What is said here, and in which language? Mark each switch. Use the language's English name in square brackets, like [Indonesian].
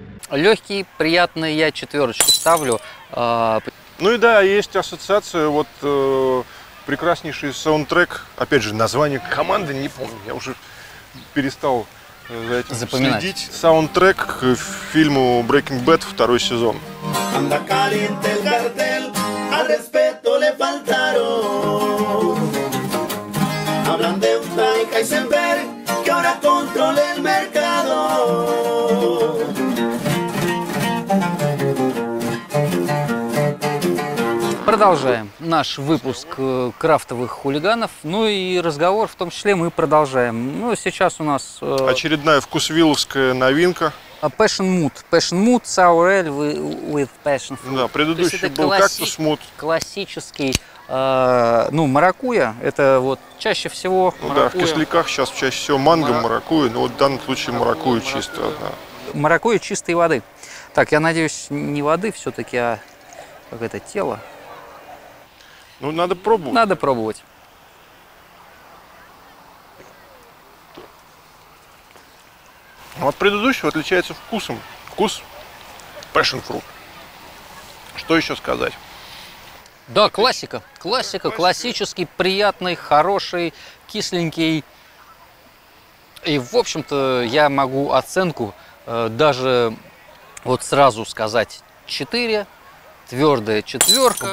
[Russian] Легкий, приятный, я четверочку ставлю. Ну и да, есть ассоциация, вот прекраснейший саундтрек. Опять же, название команды не помню, я уже перестал за этим запоминать. Следить. Саундтрек к фильму Breaking Bad, второй сезон. [Spanish] Anda caliente el cartel, al respeto le faltaron. Hablan de Utah y Heisenberg, que ahora controla el mercado. [Russian] Продолжаем наш выпуск крафтовых хулиганов, ну и разговор в том числе мы продолжаем. Ну, сейчас у нас... Очередная вкусвилловская новинка. [English] Passion Mood. Passion Mood, Sour Ale with Passion Fruit. [Russian] Да, предыдущий был Cactus Mood. Классический, ну, маракуйя, это вот чаще всего маракуйя. Да, в кисляках сейчас чаще всего манго, маракуйя, но вот в данном случае маракуйя чистая. Да. Маракуйя чистой воды. Так, я надеюсь, не воды все-таки, а как это, тело. Ну, надо пробовать. Надо пробовать. От предыдущего отличается вкусом. Вкус passion fruit. Что еще сказать? Да, классика. Классика, классический, приятный, хороший, кисленький. И, в общем-то, я могу оценку даже вот сразу сказать 4. Твердая четверка.